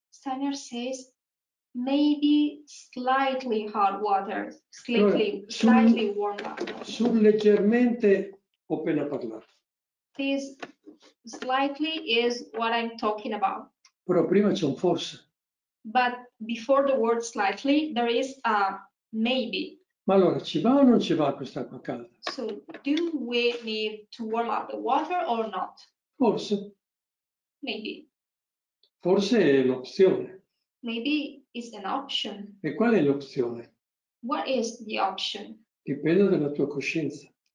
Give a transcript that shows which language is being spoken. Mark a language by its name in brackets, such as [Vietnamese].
[English] Steiner says maybe slightly hot water, slightly warm water. [Italian] Sul leggermente ho appena parlato. [English] This slightly is what I'm talking about. [Italian] Però prima c'è un forse. [English] But before the word slightly there is a maybe. [Italian] Ma allora ci va o non ci va questa acqua calda? [English] So, do we need to warm up the water or not? [Italian] Forse. [English] Maybe. [Italian] Forse è l'opzione. [English] Maybe is an option. [Italian] E qual è l'opzione? [English] What is the option? [Italian] Dipende dalla tua coscienza.